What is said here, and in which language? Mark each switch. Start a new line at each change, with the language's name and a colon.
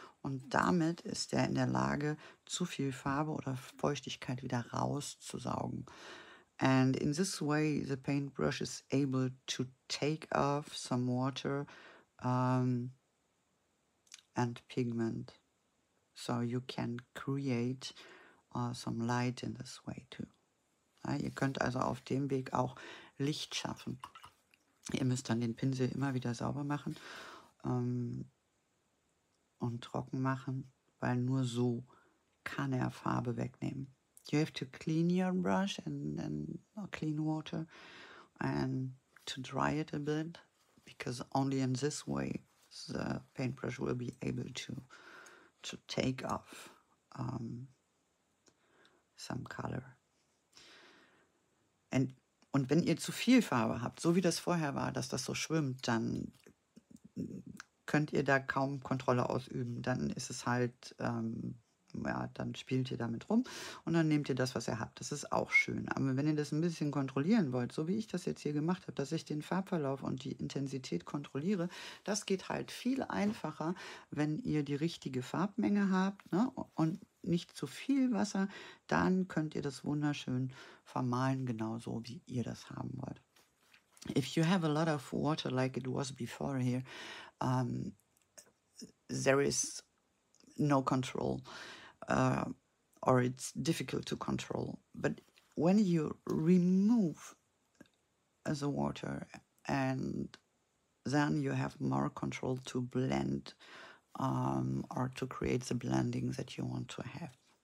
German: Und damit ist er in der Lage, zu viel Farbe oder Feuchtigkeit wieder rauszusaugen.
English: And in this way, the paintbrush is able to take off some water and pigment. So you can create some light in this way too.
German: Ja, ihr könnt also auf dem Weg auch Licht schaffen. Ihr müsst dann den Pinsel immer wieder sauber machen. Und trocken machen, weil nur so kann er Farbe wegnehmen.
English: You have to clean your brush and clean water and to dry it a bit, because only in this way the paintbrush will be able to take off some color.
German: Und wenn ihr zu viel Farbe habt, so wie das vorher war, dass das so schwimmt, dann könnt ihr da kaum Kontrolle ausüben. Dann ist es halt, dann spielt ihr damit rum und dann nehmt ihr das, was ihr habt. Das ist auch schön. Aber wenn ihr das ein bisschen kontrollieren wollt, so wie ich das jetzt hier gemacht habe, dass ich den Farbverlauf und die Intensität kontrolliere, das geht halt viel einfacher, wenn ihr die richtige Farbmenge habt, ne? Und nicht zu viel Wasser, dann könnt ihr das wunderschön vermalen, genauso wie ihr das haben wollt.
English: If you have a lot of water like it was before here, there is no control or it's difficult to control. But when you remove the water and then you have more control to blend or to create the blending that you want to have.